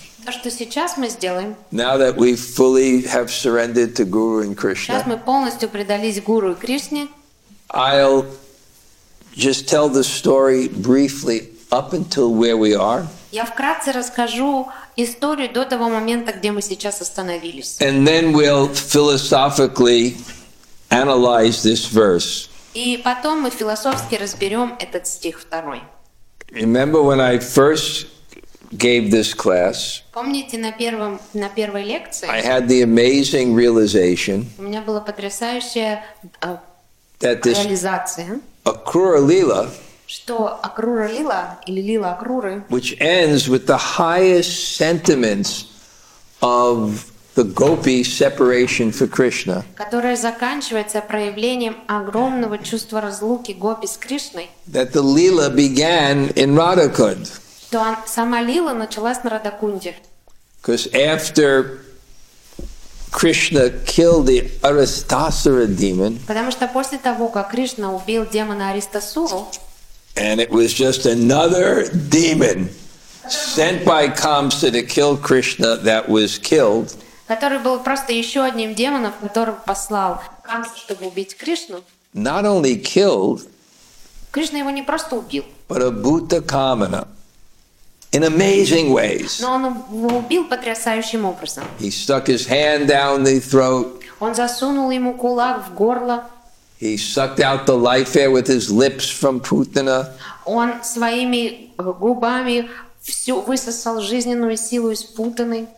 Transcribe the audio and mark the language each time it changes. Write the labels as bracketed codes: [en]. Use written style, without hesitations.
[ru] то, что сейчас мы сделаем, [en] now that we fully have surrendered to Guru and Krishna, [ru] сейчас мы полностью предались Гуру и Кришне, [en] I'll just tell the story briefly up until where we are. [ru] Я вкратце расскажу историю до того момента, где мы сейчас остановились. [en] And then we'll philosophically analyze this verse. [ru] И потом мы философски разберем этот стих второй. [en] Remember when I first gave this class? [ru] Помните, на первой лекции? [en] I had the amazing realization. [ru] У меня была потрясающая реализация. Акрура лила. Что Акрура лила или лила Акруры? [en] Which ends with the highest sentiments of the gopi separation for Krishna. [ru] Которая заканчивается проявлением огромного чувства разлуки гопи с Кришной. [en] That the lila began in Radhakund. [ru] То сама лила началась на Радакунде. [en] Because after Krishna killed the Aristasura demon. [ru] Потому что после того, как Кришна убил демона Аристасуру, [en] and it was just another demon sent by Kamsa to kill Krishna that was killed. [ru] Который был просто еще одним демоном, которого послал Камса, чтобы убить Кришну. [en] Not only killed, [ru] Кришна его не просто убил, [en] but a bhuta kamana. In amazing ways. [ru] Но он его убил потрясающим образом. [en] He stuck his hand down the throat. [ru] Он засунул ему кулак в горло. [en] He sucked out the life air with his lips from Putana. [ru] Он своими губами всю высосал жизненную силу из Путаны.